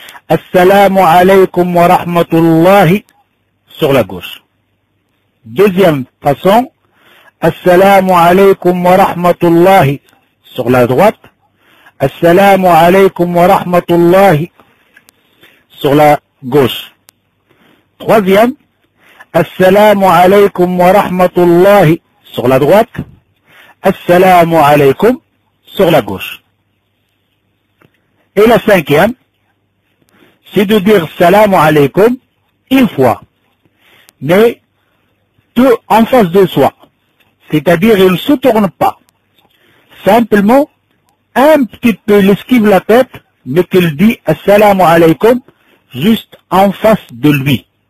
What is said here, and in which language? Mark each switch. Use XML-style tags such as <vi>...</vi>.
<ar>السلام عليكم ورحمة الله</ar> <fr>sur la gauche. Deuxième façon,</fr> <ar>السلام عليكم ورحمة الله</ar> <fr>sur la droite.</fr> <ar>السلام عليكم ورحمة الله</ar> <fr>sur la gauche. Troisième,</fr> <ar>السلام عليكم ورحمة الله</ar> <fr>sur la droite.</fr> <ar>السلام عليكم</ar> <fr>sur la gauche. Et la cinquième, c'est de dire salam alaykum une fois, mais tout en face de soi. C'est-à-dire, il ne se tourne pas. Simplement, un petit peu, il esquive la tête, mais qu'il dit salam alaykum juste en face de lui.</fr>